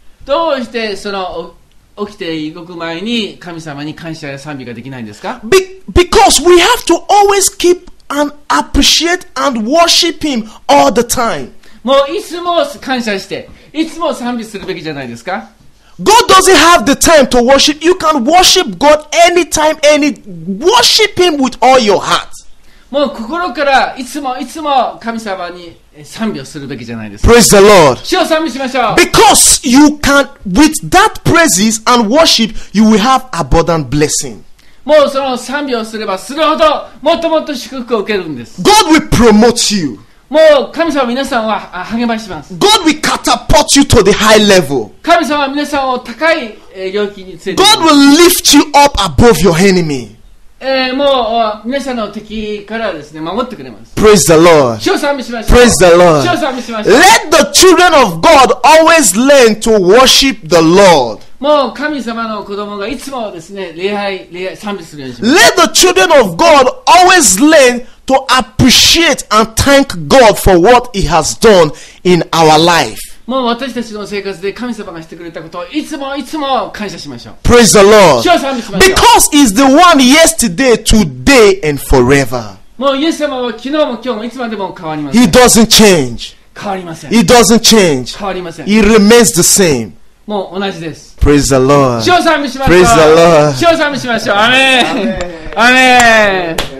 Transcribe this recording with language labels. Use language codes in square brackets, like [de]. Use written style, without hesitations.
[ja] どうしてその起きて動く前に神様に感謝や賛美ができないんですか? [en] Because we have to always keep and appreciate and worship Him all the time. [ja] もういつも感謝して、いつも賛美するべきじゃないですか? [en] God doesn't have the time to worship. You can worship God anytime, any worship Him with all your heart. [ja] もう心からいつもいつも神様に賛美をするべきじゃないですか。 [en] Praise the Lord. [ja] 主を賛美しましょう。 [en] Because you can with that praises and worship, you will have abundant blessing. [ja] もうその賛美をすればするほどもっともっと祝福を受けるんです。 [en] God will promote you. [ja] もう神様皆さんは励まします。 [en] God will catapult you to the high level. [ja] 神様皆さんを高い領域について。 [en] God will lift you up above your enemy. [ja] もう皆さんの敵からですね守ってくれます。 [en] Praise the Lord. [ja] 主を賛美しましょう。 [en] Praise the Lord. [ja] 主を賛美しましょう。 [en] Let the children of God always learn to worship the Lord. [ja] もう神様の子供がいつもですね礼拝賛美するようにします。 [en] Let the children of God always learn to appreciate and thank God for what He has done in our life. [ja] もう私たちの生活で神様がしてくれたことをいつもいつも感謝しましょう。 [en] Praise the Lord. [ja] 主を賛美しましょう。 [en] Because He's the one yesterday, today, and forever. [ja] もうイエス様は昨日も今日もいつまでも変わりません。 [en] He doesn't change. [ja] 変わりません。 [en] He doesn't change. [ja] 変わりません。 [en] He remains the same. [ja] もう同じです。 [en] Praise the Lord. [ja] 主を賛美しましょう。 [en] Praise the Lord. [ja] 主を賛美しましょう。アメン。アメン。